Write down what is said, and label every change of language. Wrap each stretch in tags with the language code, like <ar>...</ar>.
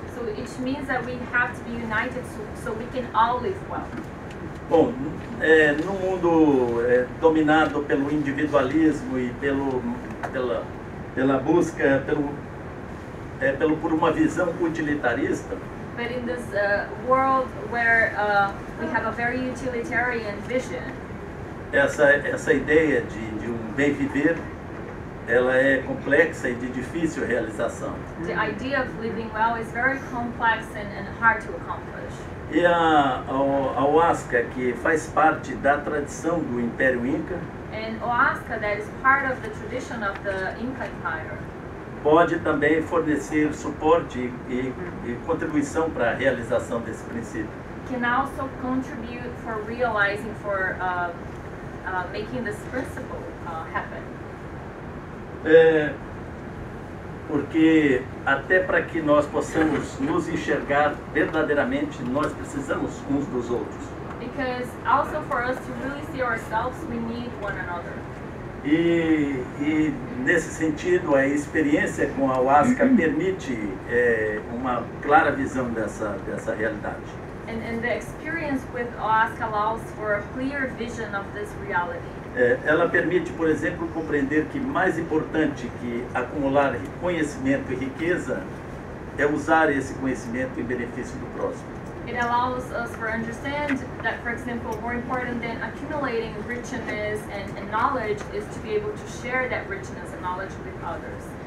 <en>So it means that we have to be united so we can all live well.</en> <pt>Bom, no mundo dominado pelo individualismo e pela busca por uma visão utilitarista.</pt> <en>But in this world where we have a very utilitarian vision.</en> <pt>Essa ideia de um bem viver, ela é complexa e de difícil realização.</pt> <en>The idea of living well is very complex and hard to accomplish.</en> <pt>E a Ayahuasca, que faz parte da tradição do Império Inca.</pt> <en>And Ayahuasca, that is part of the tradition of the Inca Empire.</en> <pt>Pode também fornecer suporte e contribuição para a realização desse princípio.</pt> <en>Can also contribute for realizing, for making this principle happen.</en> <pt>Porque até para que nós possamos nos enxergar verdadeiramente, nós precisamos uns dos outros.</pt> <en>Because also for us to really see ourselves, we need one another.</en> <pt>E nesse sentido, a experiência com a Ayahuasca permite uma clara visão dessa realidade.</pt> <en>And the experience with Ayahuasca allows for a clear vision of this reality.</en> <pt>Ela permite, por exemplo, compreender que mais importante que acumular conhecimento e riqueza é usar esse conhecimento em benefício do próximo.</pt> <en>It allows us to understand that, for example, more important than accumulating richness and knowledge is to be able to share that richness and knowledge with others.</en>